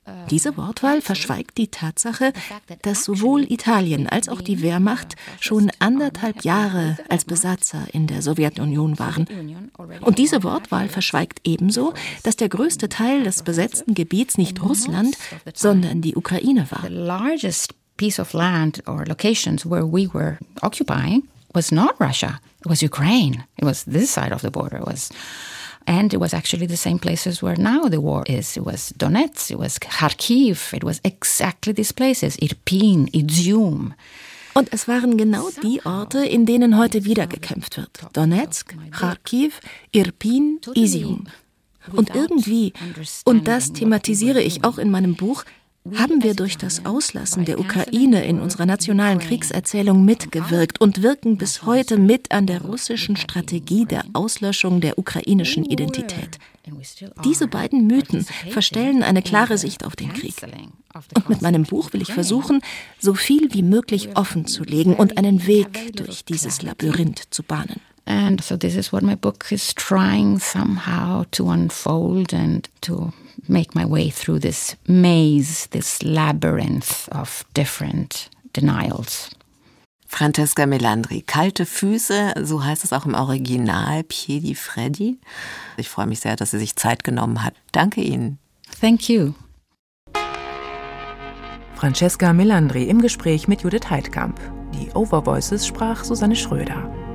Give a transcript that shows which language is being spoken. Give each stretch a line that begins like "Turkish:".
German: Diese Wortwahl verschweigt die Tatsache, dass sowohl Italien als auch die Wehrmacht schon anderthalb Jahre als Besatzer in der Sowjetunion waren. Und diese Wortwahl verschweigt ebenso, dass der größte Teil des besetzten Gebiets nicht Russland, sondern die Ukraine war.
English: The largest piece of land or locations where we were occupying was not Russia, it was Ukraine. It was this side of the border, it was... And it was actually the same places where now the war is. It was Donetsk, it was Kharkiv, it was exactly these places, Irpin, Izium.
German: Und es waren genau die Orte, in denen heute wieder gekämpft wird. Donetsk, Kharkiv, Irpin, Izium. Und irgendwie, und das thematisiere ich auch in meinem Buch, Haben wir durch das Auslassen der Ukraine in unserer nationalen Kriegserzählung mitgewirkt und wirken bis heute mit an der russischen Strategie der Auslöschung der ukrainischen Identität. Diese beiden Mythen verstellen eine klare Sicht auf den Krieg. Und mit meinem Buch will ich versuchen, so viel wie möglich offen zu legen und einen Weg durch dieses Labyrinth zu bahnen.
English: And so this is what my book is trying somehow to unfold and to make my way through this maze, this labyrinth of different denials.
German: Francesca Melandri, Kalte Füße, so heißt es auch im Original, Piedi Freddi. Ich freue mich sehr, dass sie sich Zeit genommen hat. Danke Ihnen.
English: Thank you.
German: Francesca Melandri im Gespräch mit Judith Heidkamp. Die Overvoices sprach Susanne Schröder.